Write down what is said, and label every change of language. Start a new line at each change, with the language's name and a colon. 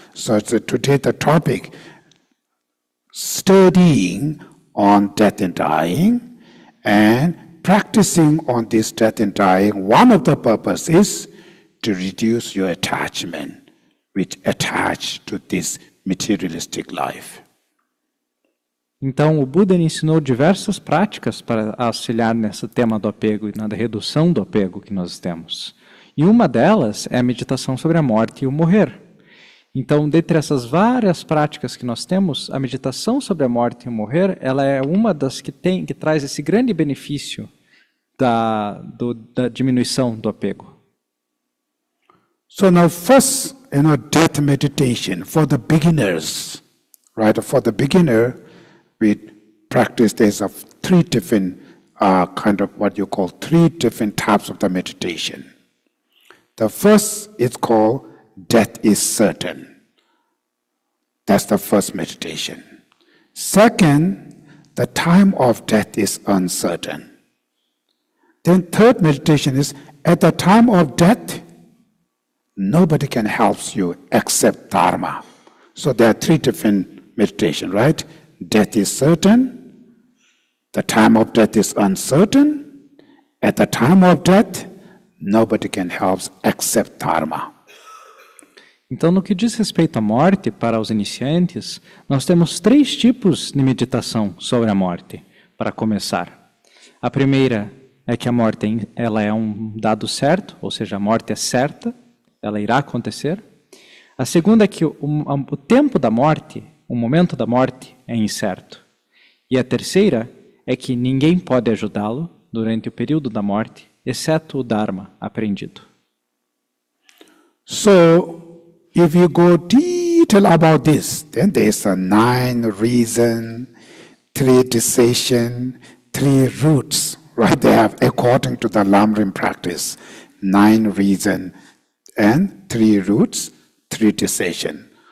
English: So today the topic, studying on death and dying and practicing on this death and dying, one of the purposes is to reduce your attachment which attached to this materialistic life.
Portuguese: Então, o Buda ensinou diversas práticas para auxiliar nesse tema do apego e na redução do apego que nós temos. E uma delas é a meditação sobre a morte e o morrer. Então, dentre essas várias práticas que nós temos, a meditação sobre a morte e o morrer, ela é uma das que traz esse grande benefício da diminuição do apego.
English: So now first, you know, death meditation for the beginners, right? For the beginner, we practice this of three different kind of what you call three different types of the meditation. The first is called death is certain. That's the first meditation. Second, the time of death is uncertain. Then third meditation is at the time of death, Nobody can help you except Dharma. So there are three different meditations, right? Death is certain. The time of death is uncertain. At the time of death, nobody can help except Dharma.
Portuguese: Então, no que diz respeito à morte, para os iniciantes, nós temos três tipos de meditação sobre a morte, para começar. A primeira é que a morte ela é um dado certo, ou seja, a morte é certa, ela irá acontecer. A segunda é que o tempo da morte, o momento da morte, é incerto. E a terceira é que ninguém pode ajudá-lo durante o período da morte, exceto o Dharma aprendido.
English: So, if you go detail about this, then there's a nine reason, three decision, three roots, right? They have, according to the Lamrim practice, nine reason and three roots, three decision.